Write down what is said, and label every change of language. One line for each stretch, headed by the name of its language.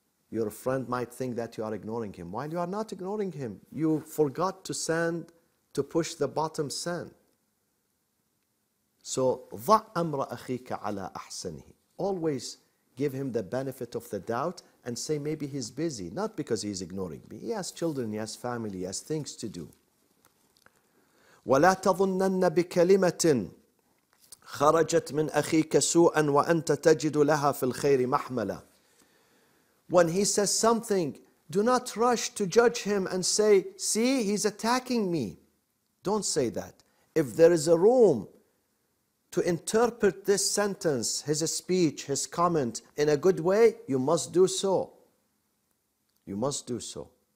English: Your friend might think that you are ignoring him. While you are not ignoring him, you forgot to send, to push the bottom send. So,
Arabic: ضع أمر أخيك على أحسنه.
English: Always give him the benefit of the doubt and say maybe he's busy. Not because he's ignoring me. He has children, he has family, he has things to do.
Arabic: ولا تظنن بكلمة خرجت من أخيك سوءا وأنت تجد لها في الخير محملا.
English: When he says something, do not rush to judge him and say, see, he's attacking me. Don't say that. If there is a room to interpret this sentence, his speech, his comment in a good way, you must do so. You must do so.